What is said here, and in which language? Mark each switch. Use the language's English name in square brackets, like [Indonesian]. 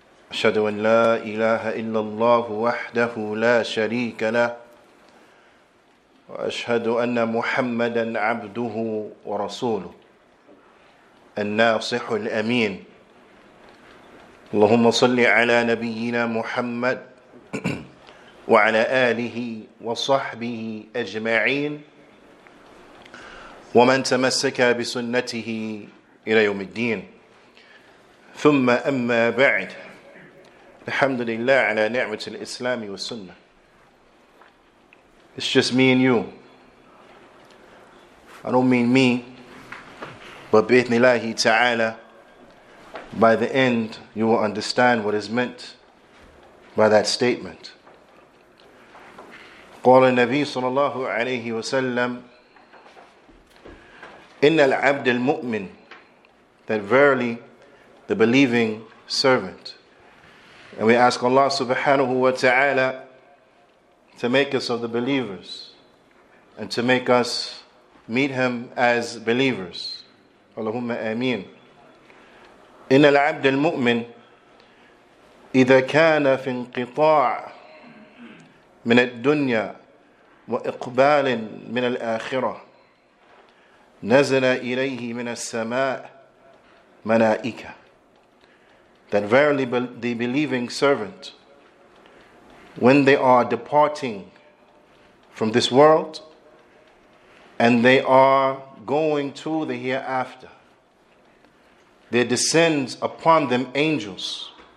[Arabic] أشهد أن لا إله إلا الله وحده لا شريك له وأشهد أن محمدا عبده ورسوله الناصح الأمين اللهم صل على نبينا محمد وعلى آله وصحبه أجمعين ومن تمسك بسنته إلى يوم الدين ثم أما بعد الحمد لله على نعمة الإسلام والسنة. [English] It's just me and you. I don't mean me, but [Arabic] بإذن الله تعالى, [English] by the end you will understand what is meant by that statement. [Arabic] قال النبي صلى الله عليه وسلم إن العبد المؤمن, [English] that verily the believing servant. And we ask Allah subhanahu wa ta'ala to make us of the believers and to make us meet him as believers. [Arabic] Allahumma ameen. إن العبد المؤمن إذا كان في انقطاع من الدنيا وإقبال من الآخرة نزل إليه من السماء ملائكة. [English] That verily the believing servant, when they are departing from this world and they are going to the hereafter, there descends upon them angels.